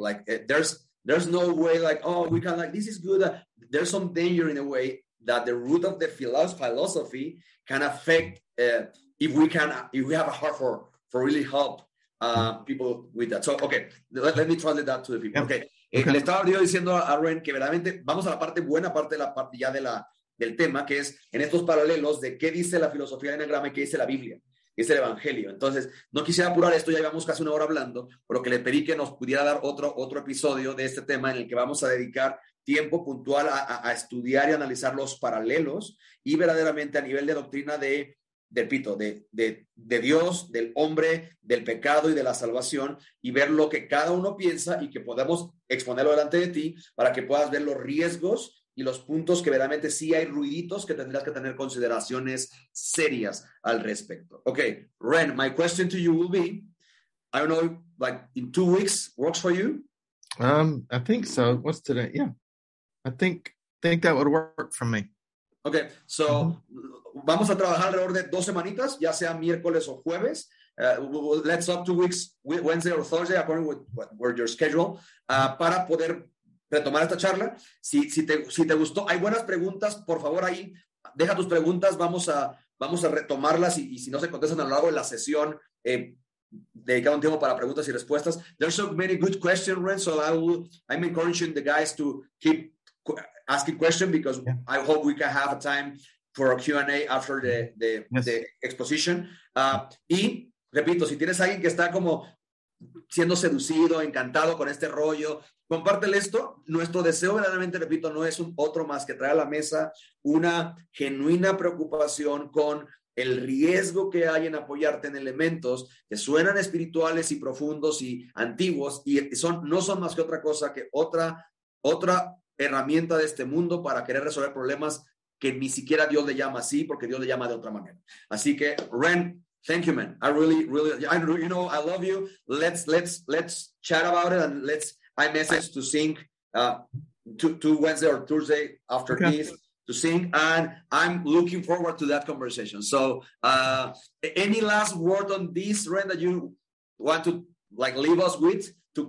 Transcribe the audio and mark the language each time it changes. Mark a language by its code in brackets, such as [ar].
[en] Like there's no way like, oh, we can like, this is good. There's some danger in a way that the root of the philosophy can affect if we have a heart for really help people with that. So, okay, let me translate that to the people. Yep. Okay. Okay. [es] Le estaba yo diciendo a Ren que verdaderamente vamos a la parte buena, parte de la parte ya de la, del tema, que es en estos paralelos de qué dice la filosofía del enagrama y qué dice la Biblia, qué dice el Evangelio. Entonces, no quisiera apurar esto, ya llevamos casi una hora hablando, pero que le pedí que nos pudiera dar otro episodio de este tema en el que vamos a dedicar tiempo puntual a estudiar y analizar los paralelos y verdaderamente a nivel de doctrina de Dios, del hombre, del pecado y de la salvación, y ver lo que cada uno piensa y que podamos exponerlo delante de ti para que puedas ver los riesgos y los puntos que verdaderamente sí hay ruiditos que tendrías que tener consideraciones serias al respecto. [en] Okay, Ren, my question to you will be, I don't know, like in 2 weeks works for you? I think so. What's today? Yeah. I think that would work for me. Okay, so [es] vamos a trabajar alrededor de 2 semanitas, ya sea miércoles o jueves. [en] Let's up 2 weeks, Wednesday or Thursday, according with your schedule, [es] para poder retomar esta charla. Si te gustó, hay buenas preguntas, por favor ahí deja tus preguntas, vamos a retomarlas y si no se contestan a lo largo de la sesión, dedicar un tiempo para preguntas y respuestas. [en] There's so many good questions, Ren, so I'm encouraging the guys to keep asking questions because I hope we can have a time for a Q&A after the exposition. [es] Y repito, si tienes alguien que está como siendo seducido, encantado con este rollo, compártele esto. Nuestro deseo verdaderamente, repito, no es otro más que traer a la mesa una genuina preocupación con el riesgo que hay en apoyarte en elementos que suenan espirituales y profundos y antiguos y no son más que otra cosa que otra herramienta de este mundo para querer resolver problemas que ni siquiera Dios le llama así, porque Dios le llama de otra manera. Así que, [en] Ren, thank you, man. I really, really, you know, I love you. Let's chat about it and let's iMessage to sync to Wednesday or Thursday after this to sync. And I'm looking forward to that conversation. So any last word on this, Ren, that you want to like leave us with to